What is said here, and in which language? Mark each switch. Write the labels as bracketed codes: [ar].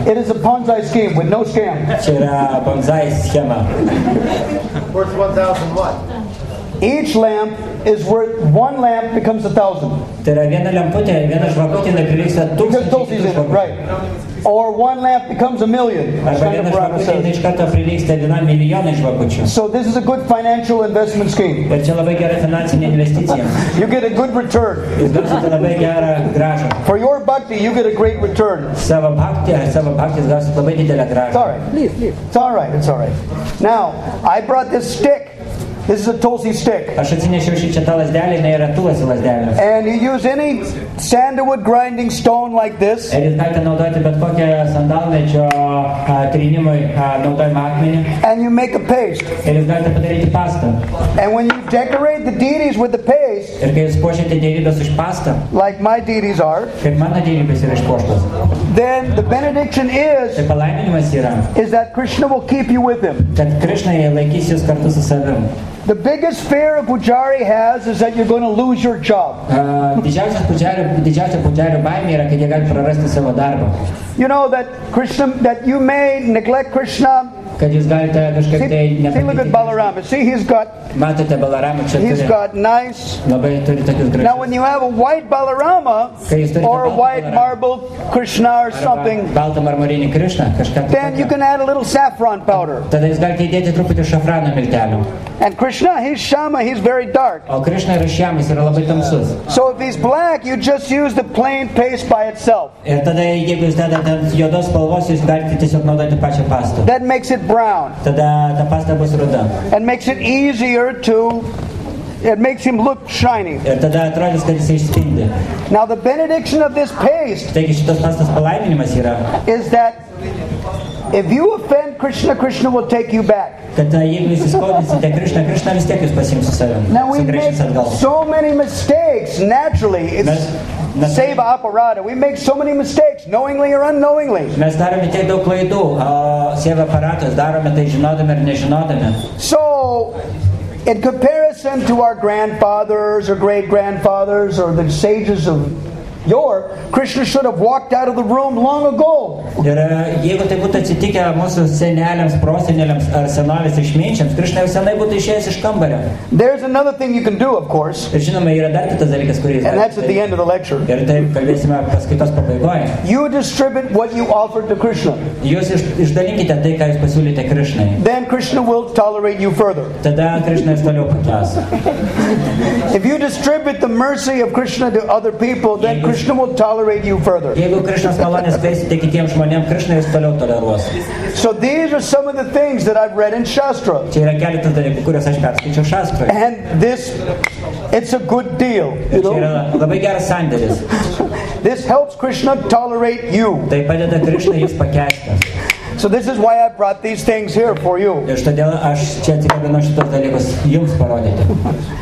[en] It is a Ponzi scheme with no scam. [lt] Čia yra Ponzi schema. [en] Worth 1,000 what? Each lamp is worth, one lamp becomes 1,000. [lt] Tai yra viena lemputė, viena žvakutė, neprilygsta 1,000. [en] Right. Or one lamp becomes 1,000,000. [lt] Arba viena žvakutė, iš karto prilygsta 1,000,000 žvakučių. [en] So this is a good financial investment scheme. [lt] Ir čia labai gera finansinė investicija. [en] You get a good return. [lt] Ir gausite labai gerą grąžą. [en] For your bhakti, you get a great return. [lt] Savo bhakti gausite labai didelę grąžą. [en] It's all right. Leave. It's all right, it's all right. Now, I brought this stick. This is a tulsi stick. [lt] Aš atsinešiau šičia tą lasdelį, tai yra tulsi lasdelė. [en] And you use any sandalwood grinding stone like this. [lt] Ir jūs galite naudoti bet kokią sandalmedžio trinimui naudojamą akmenį. [en] And you make a paste. [lt] Ir jūs galite padaryti pastą. [en] And when you decorate the deities with the paste. [lt] Ir kai jūs puošiate deities iš pastą. [en] Like my deities are. [lt] Kaip mano deities yra išpuoštos. [en] Then the benediction is. [lt] Tai palaiminimas yra. [en] Is that Krishna will keep you with him. [lt] Kad Krishna jį laikys jūs kartu su savimi. [en] The biggest fear a pujari has is that you're going to lose your job. [lt] Didžiausia pujario baimė yra, kad jie gali prarasti savo darbą. [en] You know that Krishna, that you may neglect Krishna. [lt] Kad jūs galite kažkaip tai nepatikti. [en] See, look at Balaram. See, he's got... [lt] Matote, Balarama čia turi. [en] He's got nice... [lt] Labai turi tokius gražius. [en] Now, when you have a white Balarama, or a white marble Krishna or something, [lt] balta marmorinė Krishna, kažką... [en] Then you can add a little saffron powder. [lt] Tada jūs galite įdėti truputį šafrano miltelių. [en] And Krishna, he's Shama, he's very dark. [lt] O Krishna yra Shama, jis yra labai tamsus. [en] So if he's black, you just use the plain paste by itself. [lt] Ir tada, jeigu jūs dedate jodos spalvos, jūs galite tiesiog naudoti pačią pastą. [en] That makes it brown. [lt] Tada ta pasta bus ruda. [en] And makes it easier to... It makes him look shiny. [lt] Ir tada atrodys, kad jis išspindi. [en] Now the benediction of this paste... [lt] Taigi šitos pastas palaiminimas yra... [en] Is that... If you offend Krishna, Krishna will take you back. [lt] Kad jeigu jūs įskaudinsite Krishna, Krishna vis tiek jūs pasiims su savim. [en] Now we make so many mistakes, naturally. It's... Save aparata. We make so many mistakes, knowingly or unknowingly. [lt] Mes darome tiek daug klaidų, save aparatas darome tai žinodami ir nežinodami. [en] So, in comparison to our grandfathers or great grandfathers or the sages of your, Krishna should have walked out of the room long ago. [lt] Ir jeigu tai būtų atsitikę mūsų seneliams, prosenėliams ar senovės išminčiams, Krishna jau senai būtų išėjęs iš kambario. [en] There's another thing you can do, of course. [lt] Ir žinoma, yra dar kitas dalykas, kurį jis gali. [en] And that's at the end of the lecture. [lt] Ir tai kalbėsime paskaitos pabaigoje. [en] You distribute what you offer to Krishna. [lt] Jūs išdalinkite tai, ką jūs pasiūlyte Krishnai. [en] Then Krishna will tolerate you further. [lt] Tada Krishna jūs toliau pakęs. [en] If you distribute the mercy of Krishna to other people, then Krishna will tolerate you further. [lt] Jeigu Krishna malonės teiksite kitiems žmonėms, Krishna jūs toliau toleruos. [en] So these are some of the things that I've read in Shastra. [lt] Čia yra keletas dalykų, kuriuos aš perskaičiau Shastra. [en] And this, it's a good deal. [lt] Čia yra labai geras sandėlis. [en] This helps Krishna tolerate you. [lt] Tai padeda Krishna jūs pakęsti. [en] So this is why I brought these things here for you. [lt] Ir štodėl aš čia atsikabinu šitos dalykus jums parodyti.